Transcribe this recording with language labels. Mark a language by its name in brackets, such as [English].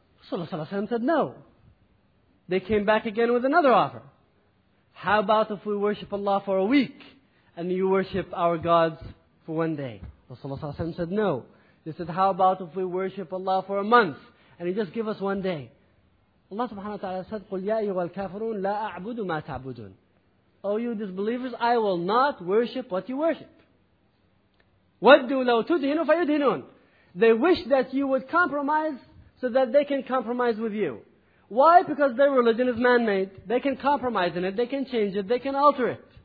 [English] Rasulullah sallallahu alayhi wa sallam said, no. They came back again with another offer. How about if we worship Allah for a week and you worship our gods for one day? Rasulullah sallallahu alayhi wa sallam said, no. They said, how about if we worship Allah for a month and you just give us one day? [Arabic] Allah subhanahu wa ta'ala said, قُلْ يَا أَيُّهَا الْكَافِرُونَ لَا أَعْبُدُ مَا تَعْبُدُونَ. [English] Oh, you disbelievers, I will not worship what you worship. [Arabic] وَدُّوا لَوْ تُدْهِنُوا فَيُدْهِنُونَ. [English] They wish that you would compromise so that they can compromise with you. Why? Because their religion is man-made. They can compromise in it, they can change it, they can alter it.